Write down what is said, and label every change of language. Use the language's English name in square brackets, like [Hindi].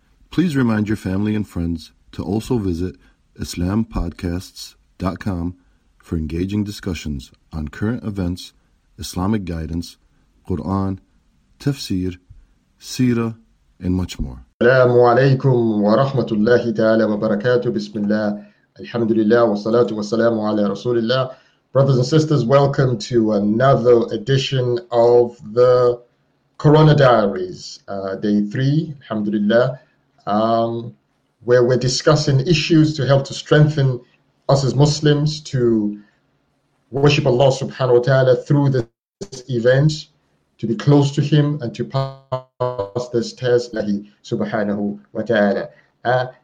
[English] Please remind your family and friends to also visit IslamPodcasts.com for engaging discussions on current events, Islamic guidance, Quran, tafsir, seerah, and much more. [Arabic] السلام عليكم ورحمة الله تعالى وبركاته بسم الله الحمد لله والصلاة والسلام على رسول الله. [English] Brothers and sisters, welcome to another edition of the Corona Diaries, day three, alhamdulillah, where we're discussing issues to help to strengthen us as Muslims to worship Allah subhanahu wa ta'ala through this event, to be close to him and to pass this test, lahi subhanahu wa ta'ala.